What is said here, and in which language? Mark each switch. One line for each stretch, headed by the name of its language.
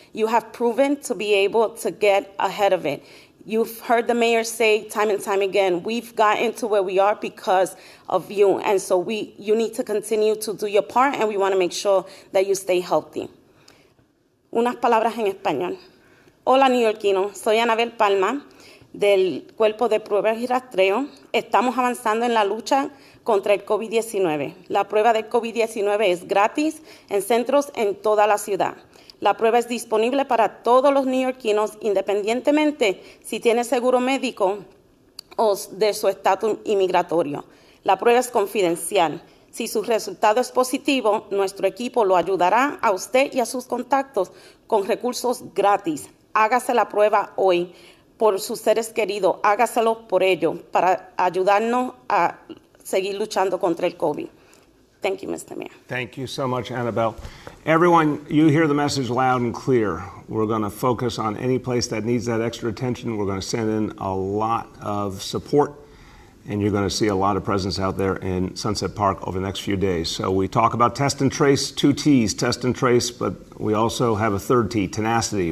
English: You have proven to be able to get ahead of it. You've heard the mayor say time and time again, we've gotten to where we are because of you. And so you need to continue to do your part, and we want to make sure that you stay healthy.
Spanish: Unas palabras en español. Hola, New Yorkino. Soy Anabel Palma, del Cuerpo de Pruebas y Rastreo. Estamos avanzando en la lucha contra el COVID-19. La prueba del COVID-19 es gratis en centros en toda la ciudad. La prueba es disponible para todos los neoyorquinos, independientemente si tiene seguro médico o de su estatus inmigratorio. La prueba es confidencial. Si su resultado es positivo, nuestro equipo lo ayudará a usted y a sus contactos con recursos gratis. Hágase la prueba hoy. Por sus seres queridos, hágaselo por ello, para ayudarnos a seguir luchando contra el COVID.
English: Thank you, Mr. Mayor. Thank you so much, Annabelle. Everyone, you hear the message loud and clear. We're going to focus on any place that needs that extra attention. We're going to send in a lot of support, and you're going to see a lot of presence out there in Sunset Park over the next few days. So we talk about test and trace, two T's, test and trace, but we also have a third T, tenacity.